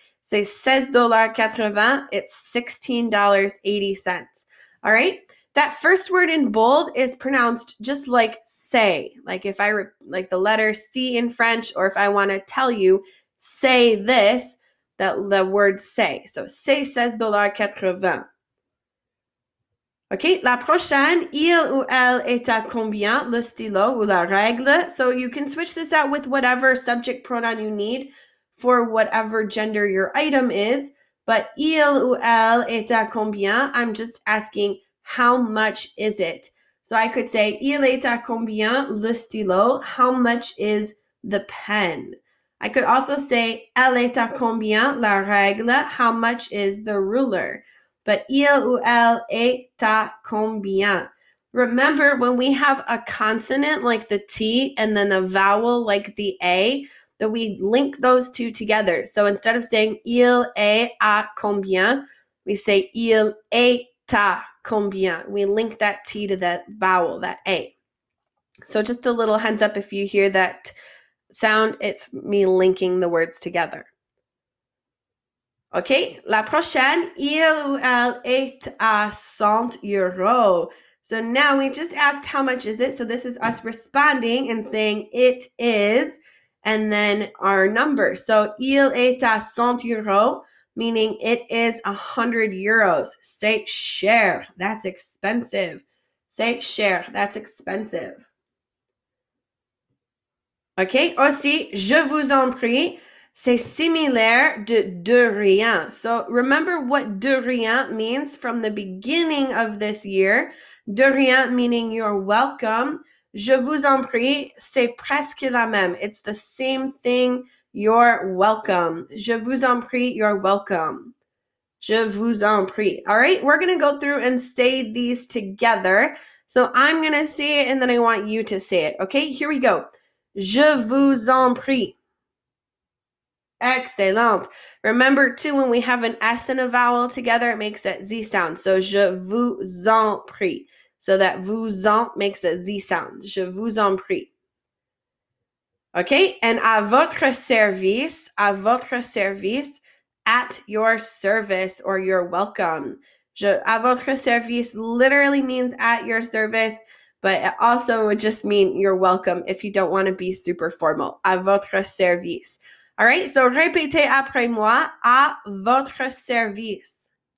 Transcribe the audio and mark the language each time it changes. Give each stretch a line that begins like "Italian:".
English: Say $16.80, it's $16.80. All right? That first word in bold is pronounced just like say, like if I like the letter C in French, or if I want to tell you say this, that the word say. So say $16.80.
French: Okay, la prochaine, il ou elle est à combien, le stylo ou la règle?
English: So you can switch this out with whatever subject pronoun you need for whatever gender your item is, but
French: il ou elle est à combien?
English: I'm just asking how much is it? So I could say
French: il est à combien le stylo?
English: How much is the pen? I could also say
French: elle est à combien la règle?
English: How much is the ruler? But
French: il ou elle est à combien?
English: Remember, when we have a consonant like the T and then the vowel like the A, that we link those two together. So instead of saying
French: il est à combien,
English: we say il est à combien. We link that T to that vowel, that A. So just a little heads up, if you hear that sound, it's me linking the words together.
French: Okay, la prochaine, il ou elle est à 100 euros.
English: So now we just asked, how much is it? So this is us responding and saying it is, and then our number. So
French: il est à 100 euros,
English: meaning it is 100 euros.
French: C'est cher,
English: that's expensive. C'est cher, that's expensive.
French: Okay, aussi, je vous en prie, c'est similaire de rien.
English: So remember what
French: de rien
English: means from the beginning of this year.
French: De rien
English: meaning you're welcome.
French: Je vous en prie, c'est presque la même.
English: It's the same thing, you're welcome.
French: Je vous en prie,
English: you're welcome.
French: Je vous en prie.
English: All right, we're going to go through and say these together. So I'm going to say it and then I want you to say it. Okay, here we go.
French: Je vous en prie. Excellent.
English: Remember, too, when we have an S and a vowel together, it makes that Z sound. So
French: je vous en prie.
English: So that vous en makes a Z sound.
French: Je vous en prie.
English: Okay, and
French: à votre service,
English: at your service, or you're welcome. Je,
French: à votre service
English: literally means at your service, but it also would just mean you're welcome if you don't want to be super formal.
French: À votre service.
English: All right, so
French: répétez après moi, à votre service.